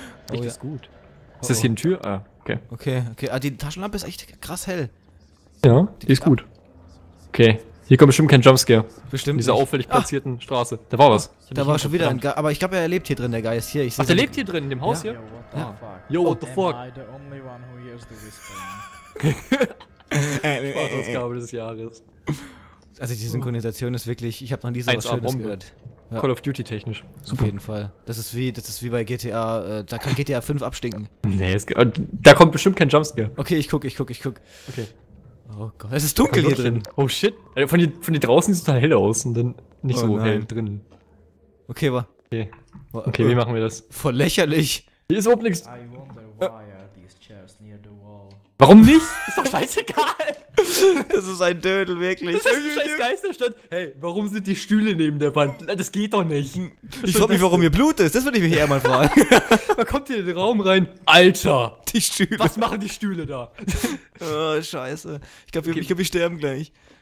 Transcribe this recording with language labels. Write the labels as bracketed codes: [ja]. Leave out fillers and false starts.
[de] Licht ist gut. Ist das hier eine Tür? Ah, okay. Okay. Ah, die Taschenlampe ist echt krass hell. Ja, die ist gut. Okay. Hier kommt bestimmt kein Jumpscare. Bestimmt. In dieser auffällig platzierten Straße. Da war was. Da war schon wieder ein Geist. Aber ich glaube, er lebt hier drin, der Geist. Hier, ich sehe. Ach, der lebt hier drin, in dem Haus hier? [en] Yo, what the fuck? Am I the only one who hears the whispering? [de] Sprachausgabe des Jahres. Also, die Synchronisation ist wirklich. Ich habe noch nie so was Schönes gehört. Ja. Call of Duty technisch. Super. Auf jeden Fall. Das ist wie bei GTA. Da kann GTA 5 abstinken. Nee, da kommt bestimmt kein Jumpscare. Okay, ich guck. Okay. Oh Gott, es ist dunkel hier drin. [en] Oh shit. [de] Also von hier draußen sieht es total hell aus und dann nicht so hell drin. Okay, war. Okay, wie machen wir das? Voll lächerlich. Hier ist überhaupt nichts. [en] I wonder why are these chairs near the wall. [de] Warum nicht? Ist doch scheißegal. Das ist ein Dödel, wirklich. Das ist ein scheiß Geisterstand. Hey, warum sind die Stühle neben der Wand? Das geht doch nicht. Ich frag mich, warum hier Blut ist. Das würde ich mich eher mal fragen. Man kommt hier in den Raum rein. Alter. Die Stühle. Was machen die Stühle da? Oh, scheiße. Ich glaube, okay. Wir sterben gleich.